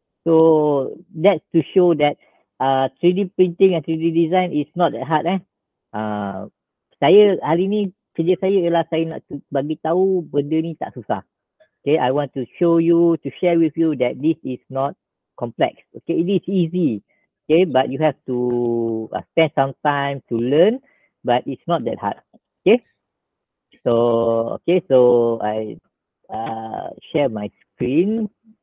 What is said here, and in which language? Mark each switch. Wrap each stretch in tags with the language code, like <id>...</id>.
<en>So that to show that 3D printing and 3D design is not that hard .</en> <ms>Saya hari ni, kerja saya ialah saya nak bagi tahu benda ni tak susah.</ms> <en>Okay, I want to show you, to share with you that this is not complex. Okay, it is easy. Okay, but you have to spend some time to learn, but it's not that hard. Okay, so I share my screen.</en>